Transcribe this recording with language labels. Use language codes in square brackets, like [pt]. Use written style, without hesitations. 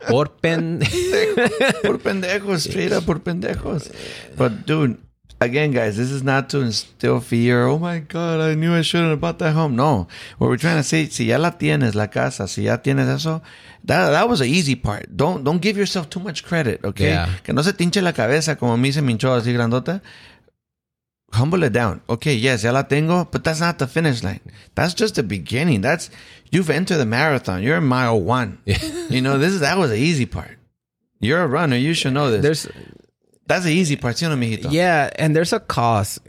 [es] Por pendejos. Por pendejos. [en] Straight up, [es] por pendejos. [en] But, dude, again, guys, this is not to instill fear. Oh, my God, I knew I shouldn't have bought that home. No. What we're trying to say, [es] si ya la tienes, la casa, si ya tienes eso, [en] that was the easy part. Don't give yourself too much credit, okay? Yeah. [es] Que no se tinche la cabeza como me hice mincho así grandota. [en] Humble it down. Okay, yes, [es] ya la tengo, [en] but that's not the finish line. That's just the beginning. That's, you've entered the marathon. You're in mile one. Yeah. You know, that was the easy part. You're a runner. You should know this. That's the easy part, you know, mijito. Yeah, and there's a cause.